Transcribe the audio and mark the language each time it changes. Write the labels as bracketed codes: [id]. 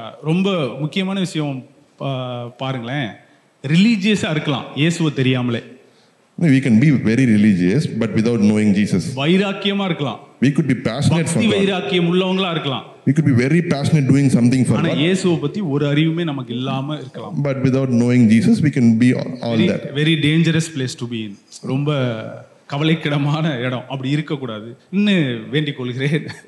[ta] ரொம்ப முக்கியமான விஷயம் பாருங்களேன், ரிலிஜியஸா இருக்கலாம் இயேசுவை தெரியாமலே. [en] No, we can be very religious but without knowing Jesus. [ta] வைராக்கியமா இருக்கலாம், [en] we could be passionate for God. [ta] வைராக்கியம் உள்ளவங்களா இருக்கலாம், [en] we could be very passionate doing something for God. [ta] ஆனா இயேசுவை பத்தி ஒரு அறிவுமே நமக்கு இல்லாம இருக்கலாம். [en] But without knowing Jesus we can be all that. Very dangerous place to be in. [ta] ரொம்ப கவலைக்கிடமான இடம், அப்படி இருக்கக்கூடாது வேண்டிக் கொள்கிறேன்.